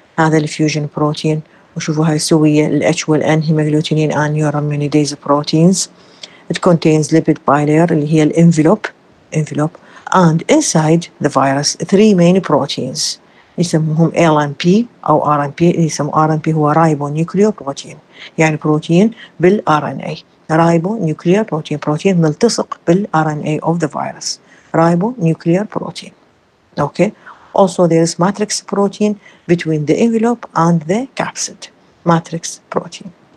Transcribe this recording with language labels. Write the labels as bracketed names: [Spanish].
[Arabic] هذا الفيوجن بروتين وشوفوا هاي السوية ال [English] H will end hemagglutinin and neuraminidase proteins. It contains lipid bilayer [Arabic] اللي هي الانفلوب [English] and inside the virus three main proteins [Arabic] يسموهم LNP أو RNP. يسموا RNP هو ribonucleoprotein يعني بروتين بال RNA. [English] Ribonucleoprotein [Arabic] بروتين ملتصق بال [English] RNA of the virus. Ribonucleoprotein. Okay. Also, there is matrix protein between the envelope and the capsid. Matrix protein.